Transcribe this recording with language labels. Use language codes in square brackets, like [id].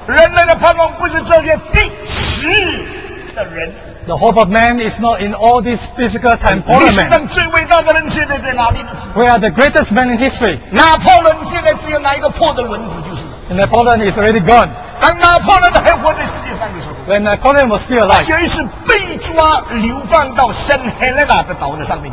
[zh] 人类的盼望不是这些第十的人。 [en] The hope of man is not in all these physical temporal men. [zh] 历史上最伟大的人现在在哪里呢？ [en] Where are the greatest men in history? [zh] 拿破仑现在只有哪一个破的轮子就是。 [en] Napoleon is already gone. [zh] 当拿破仑还活在世界上的时候。 [en] When Napoleon was still alive. [zh] 有一次被抓流放到圣赫勒纳的岛的上面。